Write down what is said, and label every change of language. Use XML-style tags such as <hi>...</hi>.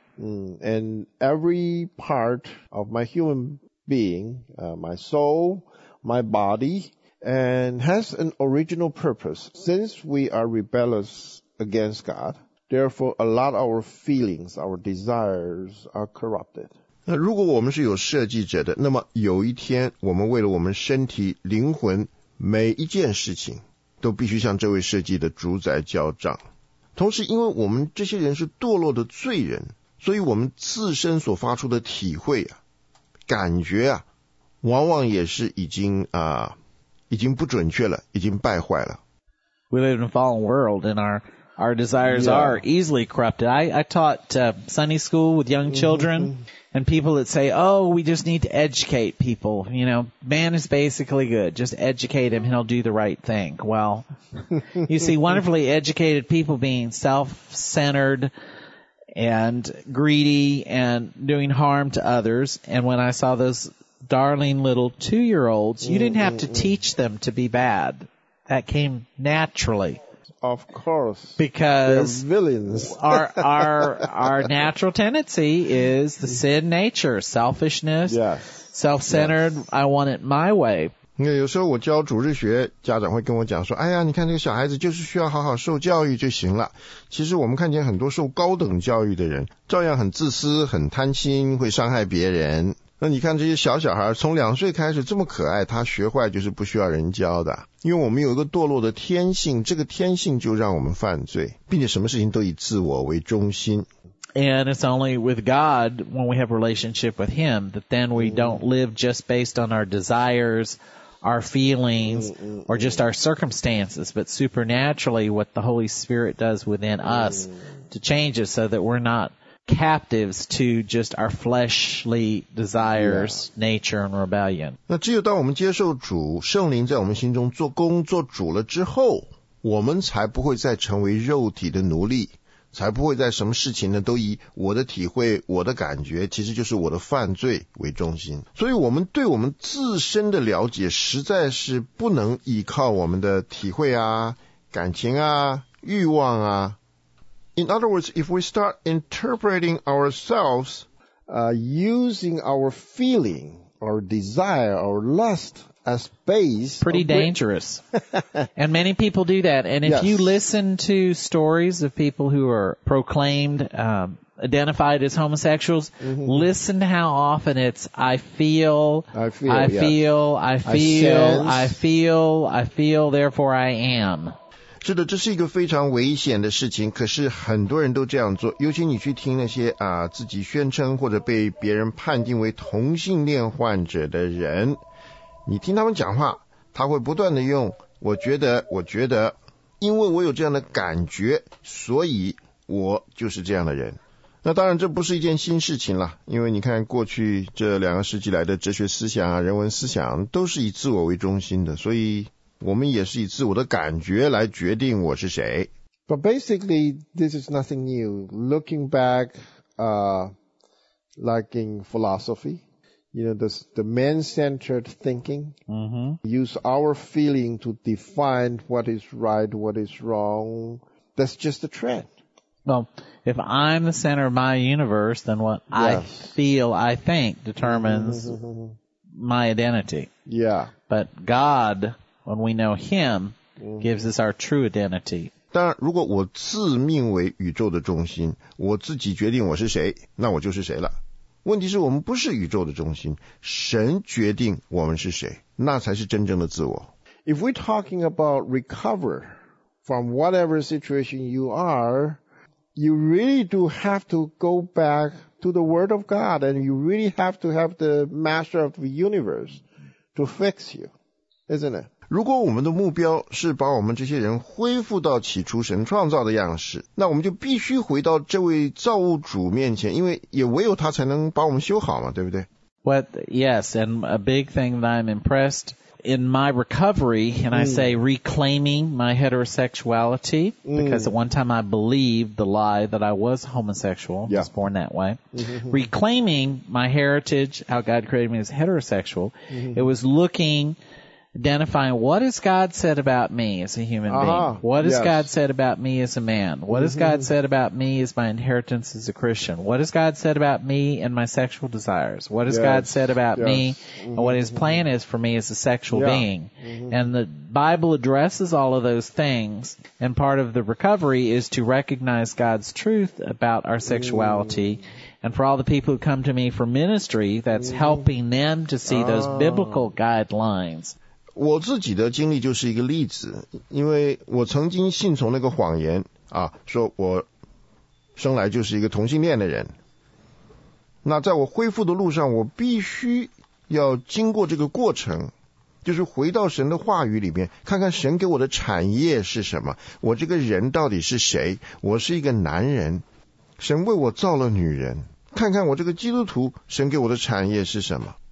<en>And every part of my human being, my soul, my body, and has an original purpose. Since we are rebellious against God, therefore a lot of our feelings, our desires are corrupted.</en> <zh>那如果我们是有设计者的，那么有一天我们为了我们身体灵魂每一件事情都必须向这位设计的主宰交账。同时因为我们这些人是堕落的罪人，所以我们自身所发出的体会啊、感觉啊，往往也是已经不准确了，已经败坏了。</zh> <en>We live in a fallen world and our desires are easily corrupted. I taught Sunday school with young children. And people that say, oh, we just need to educate people. You know, man is basically good. Just educate him and he'll do the right thing. Well, you see, wonderfully educated people being self-centered and greedy and doing harm to others. And when I saw those darling little two-year-olds, you didn't have to teach them to be bad. That came naturally. Of course. Because they're villains. our natural tendency is the sin nature, selfishness, self-centered, yes. I want it my way.</en> <zh>有时候我教主日学，家长会跟我讲说，哎呀，你看这个小孩子就是需要好好受教育就行了。其实我们看见很多受高等教育的人，照样很自私，很贪心，会伤害别人。那你看这些小小孩从两岁开始这么可爱，他学坏就是不需要人教的，因为我们有一个堕落的天性，这个天性就让我们犯罪，并且什么事情都以自我为中心。</zh> <en>And it's only with God, when we have a relationship with him, that then we don't live just based on our desires, our feelings, or just our circumstances, but supernaturally what the Holy Spirit does within us to change us so that we're notcaptives to just our fleshly desires, nature, and rebellion.</en> <zh>那只有当我们接受主，圣灵在我们心中做工做主了之后，我们才不会再成为肉体的奴隶，才不会在什么事情呢都以我的体会，我的感觉，其实就是我的犯罪为中心。所以我们对我们自身的了解实在是不能依靠我们的体会啊、感情啊、欲望啊。</zh> <en>In other words, if we start interpreting ourselves, using our feeling, our desire, our lust as base... Pretty dangerous. And many people do that. And if you listen to stories of people who are proclaimed, identified as homosexuals, listen to how often it's, I feel, therefore I am.</en> <zh>是的，这是一个非常危险的事情，可是很多人都这样做，尤其你去听那些自己宣称或者被别人判定为同性恋患者的人，你听他们讲话，他会不断的用我觉得因为我有这样的感觉，所以我就是这样的人。那当然这不是一件新事情了，因为你看过去这两个世纪来的哲学思想啊、人文思想都是以自我为中心的，所以我们也是以自我的感觉来决定我是谁。</zh> <en>But basically, this is nothing new. Looking back, like in philosophy, you know, the man-centered thinking, use our feeling to define what is right, what is wrong. That's just a trend. Well, if I'm the center of my universe, then what I feel, I think, determines my identity. Yeah. But God, when we know Him, gives us our true identity.</en> <zh>当然，如果我自命为宇宙的中心，我自己决定我是谁，那我就是谁了。问题是我们不是宇宙的中心，神决定我们是谁，那才是真正的自我。</zh> <en>If we're talking about recover from whatever situation you are, you really do have to go back to the Word of God, and you really have to have the Master of the Universe to fix you, isn't it?</en> <zh>如果我们的目标是把我们这些人恢复到起初神创造的样式，那我们就必须回到这位造物主面前，因为也唯有他才能把我们修好嘛，对不对？</zh> <en>Well, yes, and a big thing that I'm impressed in my recovery, and I say reclaiming my heterosexuality, because at one time I believed the lie that I was homosexual, I was born that way. Reclaiming my heritage, how God created me as heterosexual, it was looking... Identifying what has God said about me as a human being? What has God said about me as a man? What has God said about me as my inheritance as a Christian? What has God said about me and my sexual desires? What has God said about me and what His plan is for me as a sexual being? And the Bible addresses all of those things. And part of the recovery is to recognize God's truth about our sexuality. And for all the people who come to me for ministry, that's helping them to see those biblical guidelines.</en> <zh>我自己的经历就是一个例子，因为我曾经信从那个谎言啊，说我生来就是一个同性恋的人。那在我恢复的路上，我必须要经过这个过程，就是回到神的话语里面，看看神给我的产业是什么，我这个人到底是谁，我是一个男人，神为我造了女人，看看我这个基督徒，神给我的产业是什么？</zh>